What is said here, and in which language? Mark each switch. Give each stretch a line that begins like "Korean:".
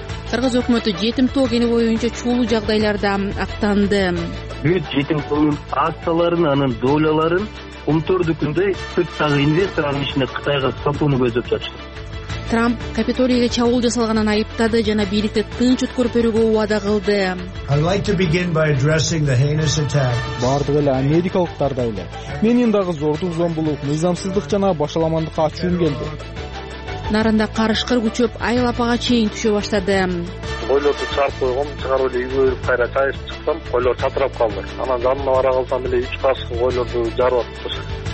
Kyrgyz: Кыргыз өкмөтү жетим тоо кени боюнча чуулу жагдайларда актанды. Бир жетим тоонун акцияларын, анын долларларын 14 күндө 40 инвестордун ичинде Кытайга сатууну көздөп жатышты. Трамп Капитолийге чабуул жасалганын айыптады жана бийликти тынч өткөрүп берүүгө убада кылды.
English: I'd like to begin by addressing the heinous attack.
Kyrgyz: Бардык эле америкалыктардай эле. Менин дагы зордук зомбулук, мыйзамсыздык жана башаламандыкка ачуум келди. Нарында карышкыр күчөп, айыл апага чейин түшө баштады. Койлорду чаарып койгом, чыгарып эле үйгө өрүп кайра чайып чыксам, койлор чатырап калды. Анан жанына бара калсам эле 3 кашкы койлорду жарып атыптыр.